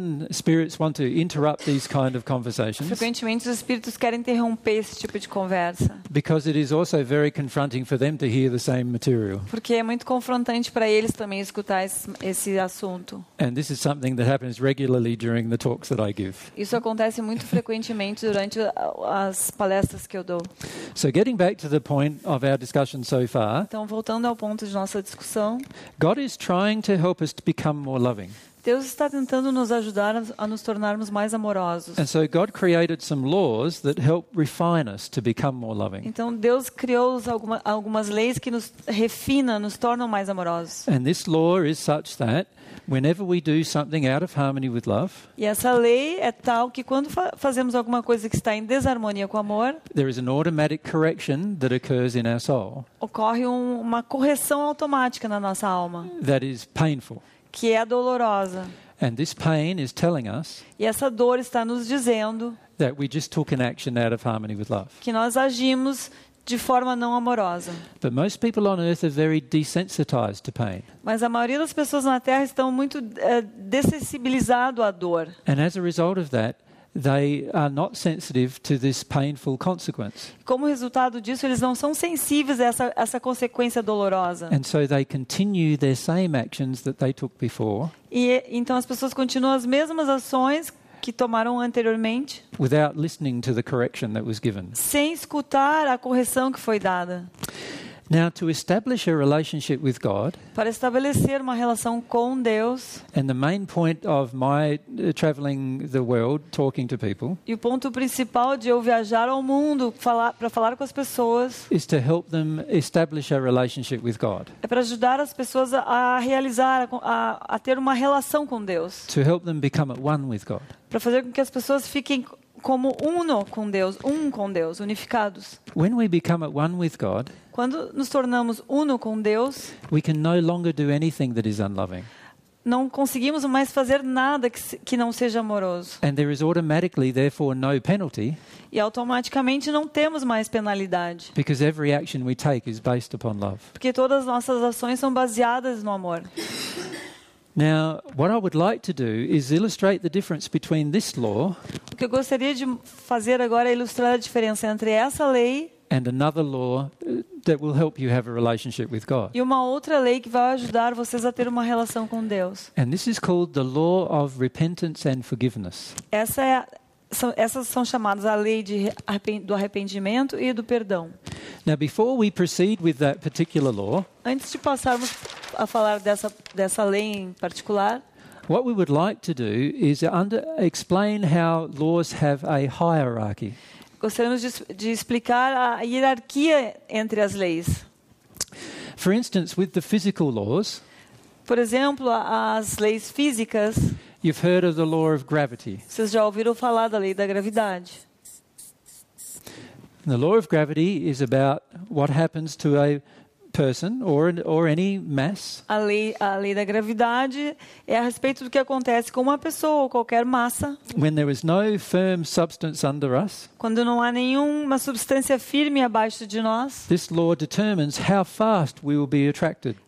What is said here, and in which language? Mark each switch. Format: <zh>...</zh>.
<en>Spirits want to interrupt these kind of conversations.</en> <pt>Frequentemente os espíritos querem interromper esse tipo de conversa.</pt> <en>Because it is also very confronting for them to hear the same material.</en> <pt>Porque é muito confrontante para eles também escutar esse assunto.</pt> <en>And this is something that happens regularly during the talks that I give.</en> <pt>Isso acontece muito frequentemente durante as palestras que eu dou.</pt> <en>So getting back to the point of our discussion so far.</en> <pt>Então voltando ao ponto de nossa discussão.</pt> <en>God is trying to help us to become more loving.</en> <pt>Deus está tentando nos ajudar a nos tornarmos mais amorosos.</pt> <en>And so God created some laws that help refine us to become more loving.</en> <pt>Então Deus criou algumas leis que nos refinam, nos tornam mais amorosos.</pt> <en>And this law is such that whenever we do something out of harmony with love,</en> <pt>e essa lei é tal que quando fazemos alguma coisa que está em desarmonia com amor,</pt> <en>there is an automatic correction that occurs in our soul.</en> <pt>Ocorre uma correção automática na nossa alma.</pt> <en>That is painful.</en> <pt>Que é dolorosa.</pt> <en>And this pain is telling us,</en> <pt>e essa dor está nos dizendo,</pt> <en>that we just took an action out of harmony with love.</en> <pt>Que nós agimos de forma não amorosa.</pt> <en>But most people on earth are very desensitized to pain.</en> <pt>Mas a maioria das pessoas na Terra estão muito dessensibilizado à dor.</pt> <en>And as a result of that, they are not sensitive to this painful consequence.</en> <pt>Como resultado disso, eles não são sensíveis a essa consequência dolorosa.</pt> <en>And so they continue their same actions that they took before.</en> <pt>E então as pessoas continuam as mesmas ações que tomaram anteriormente.</pt> <en>Without listening to the correction that was given.</en> <pt>Sem escutar a correção que foi dada.</pt> <en>Now to establish a relationship with God.</en> <pt>Para estabelecer uma relação com Deus.</pt> <en>And the main point of my traveling the world talking to people.</en> <pt>E o ponto principal de eu viajar ao mundo para falar com as pessoas.</pt> <en>Is to help them establish a relationship with God.</en> <pt>É para ajudar as pessoas a realizar a ter uma relação com Deus.</pt> <en>To help them become at one with God.</en> <pt>Para fazer com que as pessoas fiquem como uno com Deus, um com Deus, unificados.</pt> <en>When we become at one with God.</en> <pt>Quando nos tornamos uno com Deus,</pt> <en>we can no longer do anything that is unloving.</en> <pt>Não conseguimos mais fazer nada que não seja amoroso.</pt> <en>And there is automatically, therefore, no penalty.</en> <pt>E automaticamente não temos mais penalidade.</pt> <en>Because every action we take is based upon love.</en> <pt>Porque todas as nossas ações são baseadas no amor.</pt> <en>Now, what I would like to do is illustrate the difference between this law.</en> <pt>O que eu gostaria de fazer agora é ilustrar a diferença entre essa lei</pt> <en>and another law that will help you have a relationship with God.</en> <pt>E uma outra lei que vai ajudar vocês a ter uma relação com Deus.</pt> <en>And this is called the law of repentance and forgiveness.</en> <pt>Essas são chamadas a lei do arrependimento e do perdão.</pt> <en>Now, before we proceed with that particular law,</en> <pt>antes de passarmos a falar dessa lei em particular,</pt> <en>what we would like to do is explain how laws have a hierarchy.</en> <pt>Gostaríamos de explicar a hierarquia entre as leis.</pt> <en>For instance, with the physical laws.</en> <pt>Por exemplo, as leis físicas.</pt> <en>You've heard of the law of gravity.</en> <pt>Vocês já ouviram falar da lei da gravidade?</pt> <en>The law of gravity is about what happens to a person or any mass.</en> <pt>A lei da gravidade é a respeito do que acontece com uma pessoa ou qualquer massa.</pt> <en>When there is no firm substance under us.</en> <pt>Quando não há nenhuma substância firme abaixo de nós.</pt> <en>This law determines how fast we will be attracted.</en>